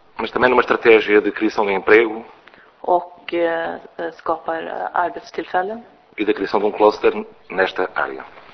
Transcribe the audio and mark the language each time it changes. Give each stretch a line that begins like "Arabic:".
Portuguese: Mas também numa estratégia de criação de emprego.
Swedish: Och skapar arbetstillfällen.
Portuguese: E da criação de um cluster nesta área.